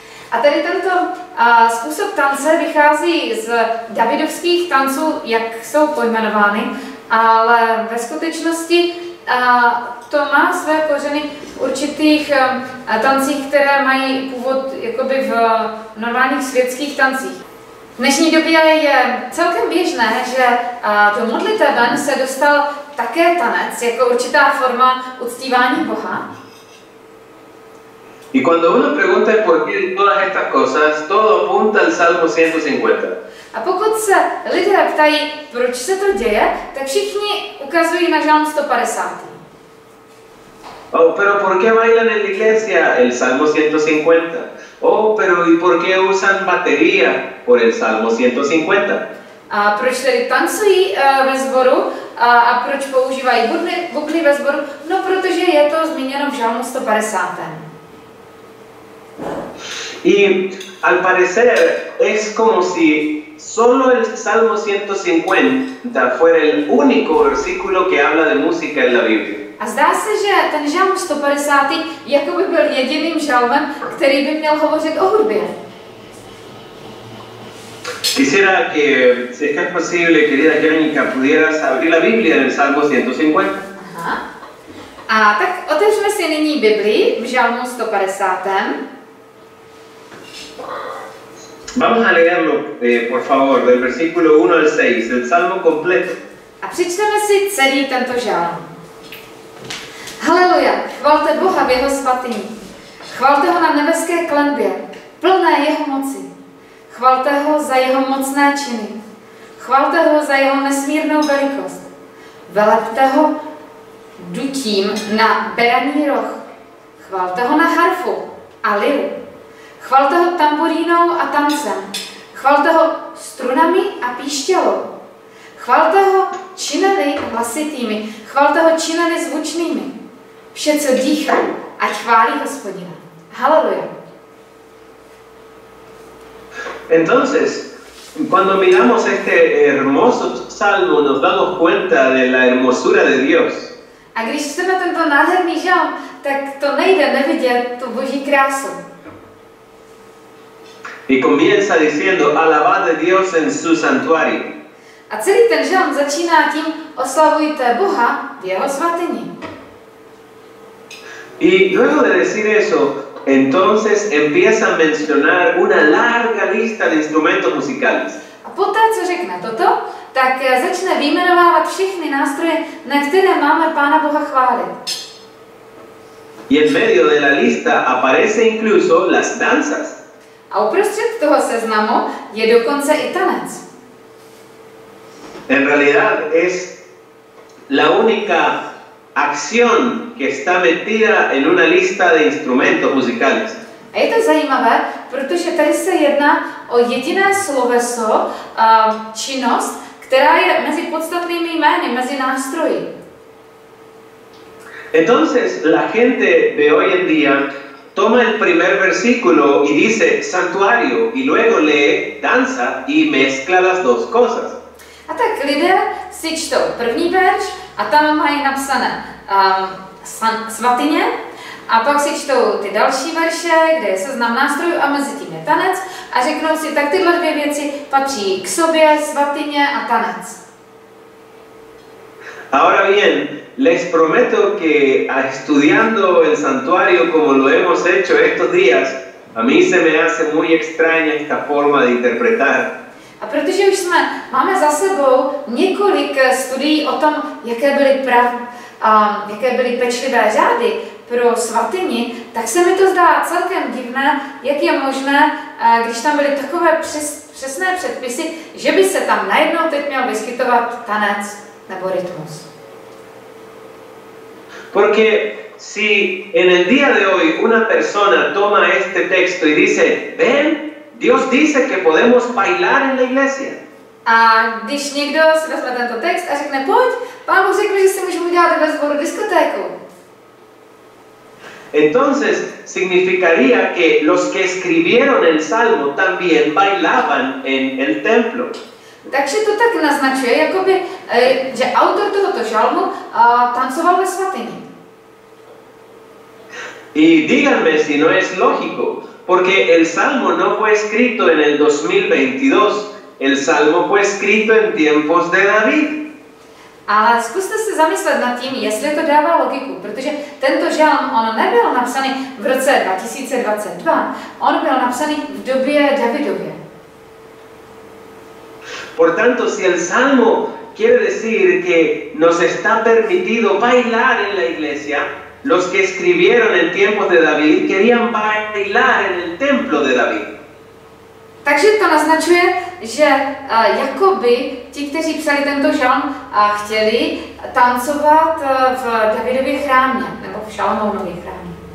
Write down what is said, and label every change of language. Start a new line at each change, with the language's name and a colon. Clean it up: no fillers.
Czech: A tady tento způsob tance vychází z davidovských tanců, jak jsou pojmenovány, ale ve skutečnosti to má své kořeny v určitých tancích, které mají původ jakoby v normálních světských tancích. V dnešní době je celkem běžné, že do modliteben se dostal také tanec jako určitá forma uctívání Boha.
Spanish: Y cuando uno pregunta por qué todas estas cosas, todo apunta al Salmo 150.
Czech: A pokud se lidé ptají, proč se to děje, tak všichni ukazují na Žalm 150.
Spanish: Oh, pero por qué bailan en la iglesia el Salmo 150? Oh, pero ¿y por qué usan batería por el Salmo 150?
Czech: A proč tedy tancují ve sboru a proč používají bubny ve sboru? No, protože je to zmíněno v Žalmu 150.
Spanish: Y al parecer es como si solo el Salmo 150 fuera el único versículo que habla de música en la Biblia.
Czech: A zdá se, že ten žalm 150. jako by byl jediným žalmem, který by měl hovořit o hudbě.
Spanish: Quisiera que, si es que es posible, querida Jerónica, pudieras abrir la Biblia en el Salmo 150. Aha.
Czech: A tak otevřeme si nyní Biblii v Žalmu 150.
Spanish: Vamos a leerlo, por favor, del versículo 1 al 6, el Salmo completo.
Czech: A přečteme si celý tento žalm. Haleluja, chvalte Boha v jeho svatyni. Chvalte ho na nebeské klenbě, plné jeho moci. Chvalte ho za jeho mocné činy. Chvalte ho za jeho nesmírnou velikost. Velepte ho dutím na beraní roh. Chvalte ho na harfu a liru. Chvalte ho tamburínou a tancem. Chvalte ho strunami a píšťalou. Chvalte ho činely hlasitými. Chvalte ho činely zvučnými. Vše, co dýchá, ať chválí Hospodina. Haleluja.
Spanish: Entonces, cuando miramos este hermoso salmo, nos damos cuenta de la hermosura de Dios.
Czech: A když jsme tento nádherný žal, tak to nejde nevidět tu Boží krásu.
Spanish: Y comienza diciendo, alabad a Dios en su santuario.
Czech: A celý ten žalm začíná tím, oslavujte Boha v jeho svatyni.
Spanish: Y luego de decir eso, entonces empieza a mencionar una larga lista de instrumentos musicales.
Czech: A poté, co řekne toto, tak začne vyjmenovávat všechny nástroje, na které máme Pána Boha chválit.
Spanish: Y en medio de la lista aparece incluso las danzas.
Czech: A uprostřed toho seznamu je dokonce i tanec.
Spanish: En realidad es la única acción que está metida en una lista de instrumentos musicales.
Czech: A je to zajímavé, protože tady se jedná o jediné sloveso, činnost, která je mezi podstatnými jmény, mezi nástroji.
Spanish: Entonces la gente de hoy en día toma el primer versículo y dice santuario y luego lee danza y mezcla las dos cosas.
Czech: A tak lidé si čtou první verš a tam mají napsané svatyně a pak si čtou ty další verše, kde je seznam nástrojů a mezi tím je tanec a řeknou si, tak tyhle dvě věci patří k sobě, svatyně a tanec.
Spanish: Ahora bien, les prometo que estudiando el santuario como lo hemos hecho estos días, a mí se me hace muy extraña esta forma de interpretar.
Czech: A protože už jsme, máme za sebou několik studií o tom, jaké byly jaké byly pečlivé řády pro svatyni, tak se mi to zdá celkem divné, jak je možné, když tam byly takové přesné předpisy, že by se tam najednou teď měl vyskytovat tanec nebo rytmus.
Spanish: Porque si en el día de hoy una persona toma este texto y dice, ven, Dios dice que podemos bailar en la iglesia.
Czech: A když někdo si vezme tento text a řekne, pojď, Pán Bůh řekl, že si můžeme udělat ve sboru diskotéku.
Spanish: Entonces significaría que los que escribieron el salmo también bailaban en el templo.
Czech: Takže to tak naznačuje, jakoby, že autor tohoto žalmu tancoval ve svatyni.
Spanish: Y díganme si no es lógico, porque el salmo no fue escrito en el 2022, el salmo fue escrito en tiempos de David.
Czech: Ale zkuste se zamyslet nad tím, jestli to dává logiku, protože tento žalm on nebyl napsaný v roce 2022, on byl napsaný v době Davidově.
Spanish: Por tanto, si el salmo quiere decir que nos está permitido bailar en la iglesia, los que escribieron en tiempos de David querían bailar en el templo de David.
Czech: Takže to naznačuje, že jakoby ti, kteří psali tento žalm, chtěli tancovat v Davidově chrámě, nebo v Šalmounově chrámě.